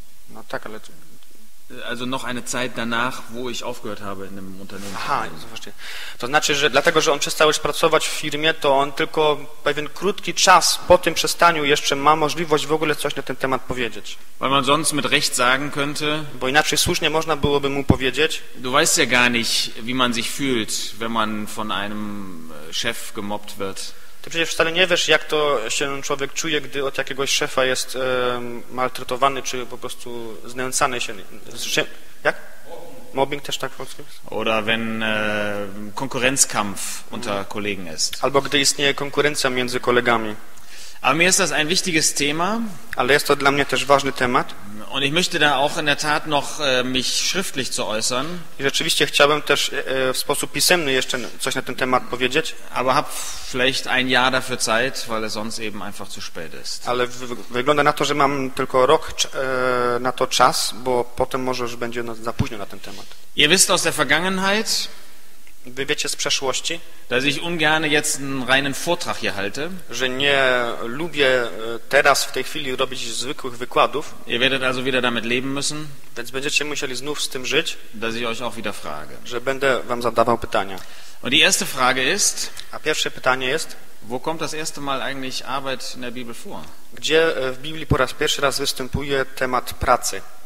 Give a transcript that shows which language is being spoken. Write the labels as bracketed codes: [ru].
[pl] No tak, ale [de] also noch eine Zeit danach, wo ich aufgehört habe in dem Unternehmen. Aha, so verstehe. [pl] To znaczy, że dlatego, że on przestał już pracować w firmie, to on tylko pewien krótki czas po tym przestaniu jeszcze ma możliwość w ogóle coś na ten temat powiedzieć. [de] Weil man sonst mit Recht sagen könnte. [pl] Bo inaczej słusznie można byłoby mu powiedzieć. [de] Du weißt ja gar nicht, wie man sich fühlt, wenn man von einem Chef gemobbt wird. [pl] Ty przecież wcale nie wiesz, jak to się człowiek czuje, gdy od jakiegoś szefa jest maltretowany, czy po prostu znęcany się. Jak? Mobbing też tak w polskim? [de] Oder wenn Konkurrenzkampf unter Kollegen ist. [pl] Albo gdy istnieje konkurencja między kolegami. [de] Aber mir ist das ein wichtiges Thema. [pl] Ale jest to dla mnie też ważny temat. [de] Und ich möchte da auch in der Tat noch mich schriftlich zu äußern. [pl] I rzeczywiście chciałbym też w sposób pisemny jeszcze coś na ten temat powiedzieć. [de] Aber hab vielleicht ein Jahr dafür Zeit, weil es sonst eben einfach zu spät ist. [pl] Ale wygląda na to, że mam tylko rok na to czas, bo potem może już będzie za późno na ten temat. [de] Ihr wisst aus der Vergangenheit. [pl] Wy wiecie z przeszłości, [de] dass ich ungern jetzt einen reinen Vortrag hier halte, [pl] że nie lubię teraz w tej chwili robić zwykłych wykładów. [de] Ihr werdet also wieder damit leben müssen, [pl] więc będziecie musieli znów z tym żyć, [de] dass ich euch auch wieder frage, [pl] że będę wam zadawał pytania. [de] Und die erste Frage ist, [pl] a pierwsze pytanie jest, [de] wo kommt das erste Mal eigentlich Arbeit in der Bibel vor? [pl] Gdzie w Biblii po raz pierwszy raz występuje temat pracy?